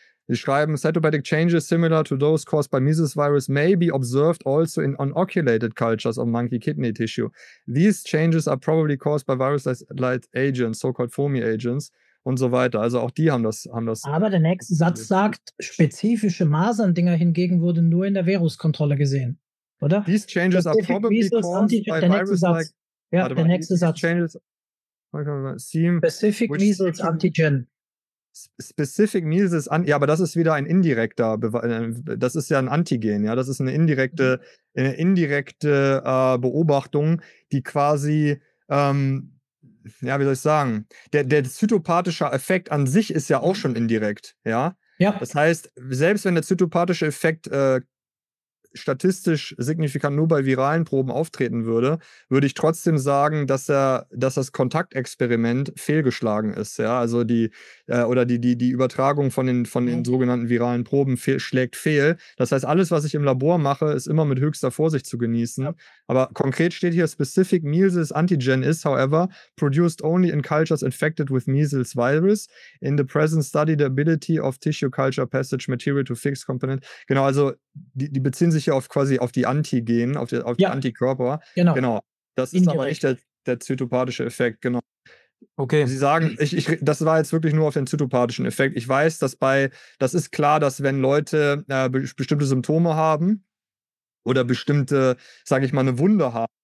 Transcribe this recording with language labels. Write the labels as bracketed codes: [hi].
[de] Sie schreiben, [en] cytopathic changes similar to those caused by measles virus may be observed also in unoculated cultures of monkey kidney tissue. These changes are probably caused by virus-like agents, so-called foamy agents, [de] und so weiter. Also auch die haben das. Aber der nächste Satz sagt, spezifische Masern-Dinger hingegen wurden nur in der Viruskontrolle gesehen, oder? [en] These changes are probably caused by virus-like. [de] Ja, der nächste Satz. [en] Specific measles antigen. [de] Specific Measles, ja, aber das ist wieder ein indirekter Beweis, das ist ja ein Antigen, ja, das ist eine indirekte Beobachtung, die quasi, ja, wie soll ich sagen, der zytopathische Effekt an sich ist ja auch schon indirekt, ja. Ja. Das heißt, selbst wenn der zytopathische Effekt statistisch signifikant nur bei viralen Proben auftreten würde, würde ich trotzdem sagen, dass das Kontaktexperiment fehlgeschlagen ist. Ja? Also die Übertragung von den sogenannten viralen Proben schlägt fehl. Das heißt, alles, was ich im Labor mache, ist immer mit höchster Vorsicht zu genießen. Ja. Aber konkret steht hier, [en] specific measles antigen is, however, produced only in cultures infected with measles virus. In the present study, the ability of tissue culture passage material to fix component. [de] Genau, also die beziehen sich ja quasi auf die Antigen, auf die Antikörper. Genau. Genau. Das ist indirekt. Aber nicht der zytopathische Effekt, genau. Okay. Sie sagen, ich das war jetzt wirklich nur auf den zytopathischen Effekt. Ich weiß, das ist klar, dass wenn Leute bestimmte Symptome haben oder bestimmte, sage ich mal, eine Wunde haben,